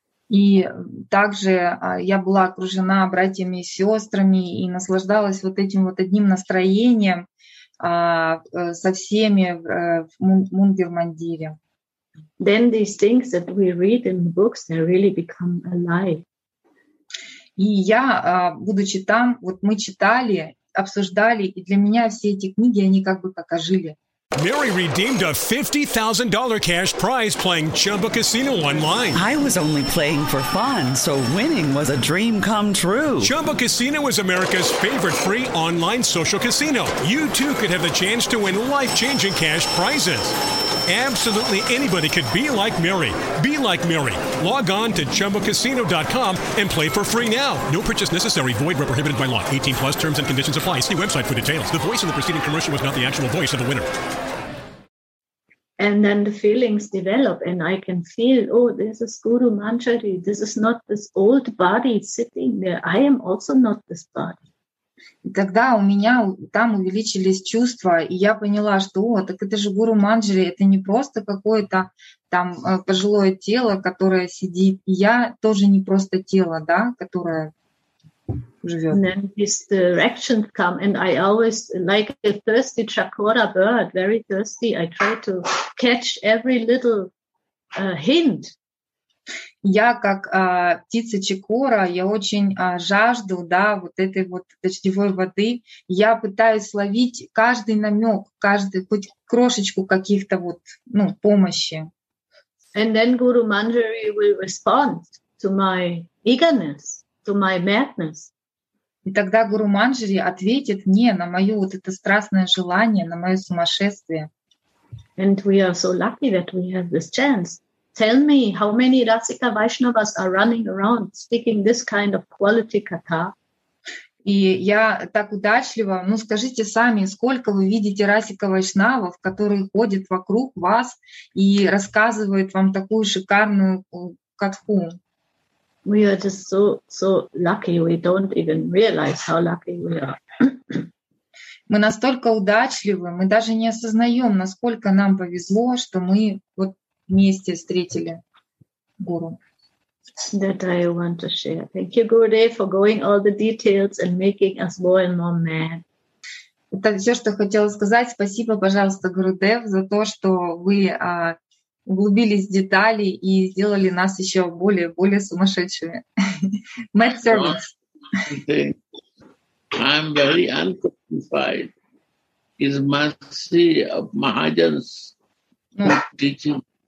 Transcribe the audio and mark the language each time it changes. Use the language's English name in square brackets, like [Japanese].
[Russian] И также я была окружена братьями и сестрами и наслаждалась вот этим вот одним настроением со всеми в Мунгер-Мандире. [English] Then these things that we read in the books, they really become alive. [Russian] И я, будучи там, вот мы читали, обсуждали, и для меня все эти книги, они как бы как ожили. [English] Mary redeemed a $50,000 cash prize playing Chumba Casino online. I was only playing for fun, so winning was a dream come true. Chumba Casino is America's favorite free online social casino. You too could have the chance to win life-changing cash prizes. Absolutely anybody could be like Mary. Be like Mary. Log on to ChumbaCasino.com and play for free now. No purchase necessary. Void where prohibited by law. 18 plus terms and conditions apply. See website for details. The voice in the preceding commercial was not the actual voice of the winner. And then the feelings develop and I can feel, oh, this is Guru Manjari. This is not this old body sitting there. I am also not this body. [Russian] И тогда у меня там увеличились чувства, и я поняла, что, о, так это же Гуру Манджари, это не просто какое-то там пожилое тело, которое сидит. И я тоже не просто тело, да, которое живёт. [English] And then these directions come, and I always, like a thirsty chakora bird, very thirsty, I try to catch every little hint. [Russian] Я как птица чакора, я очень жажду, да, вот этой вот дождевой воды. Я пытаюсь ловить каждый намек, каждый хоть крошечку каких-то вот, ну, помощи. [English] And then Guru Manjari will respond to my eagerness, to my madness. [Russian] И тогда Гуру Манджари ответит мне на моё вот это страстное желание, на моё сумасшествие. [English] And we are so lucky that we have this chance. Tell me how many Rasika Vaishnavas are running around speaking this kind of quality katha. [Russian] И я так удачлива. Ну скажите сами, сколько вы видите Расика Вайшнавов, которые ходят вокруг вас и рассказывают вам такую шикарную катху? [English] We are just so lucky. We don't even realize how lucky we are. [Russian] Мы настолько удачливы, мы даже не осознаем, насколько нам повезло, что мы вот вместе встретили гуру. [English] That I want to share. Thank you, Gurudev, for going all the details and making us more and more mad. [Russian] Это все, что хотела сказать. Спасибо, пожалуйста, Гурудев, за то, что вы углубились в детали и сделали нас еще более сумасшедшими. [English] Mad servants. I'm very unqualified. It's mercy of Mahajans teaching.